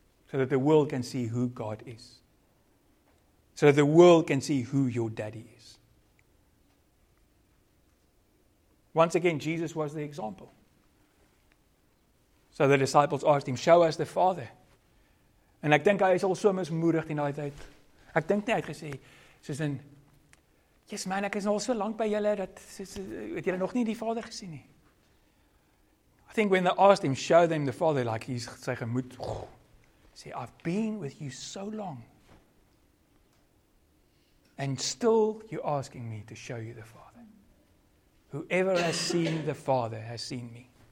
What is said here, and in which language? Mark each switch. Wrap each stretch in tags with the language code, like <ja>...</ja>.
<en>So that the world can see who God is. So that the world can see who your daddy is. Once again, Jesus was the example. So the disciples asked him, show us the Father.</en> <af>And ek dink hy is al so mismoedig in daai tyd. Ek dink nie hy het gesê, soos in,</af> <en>yes man,</en> <af>ek is al so lank by julle, dat het julle nog nie die Vader gesien nie.</af> <en>I think when they asked him, show them the Father, like he's saying, say, I've been with you so long. And still you're asking me to show you the Father. Whoever has seen the Father has seen me.</en>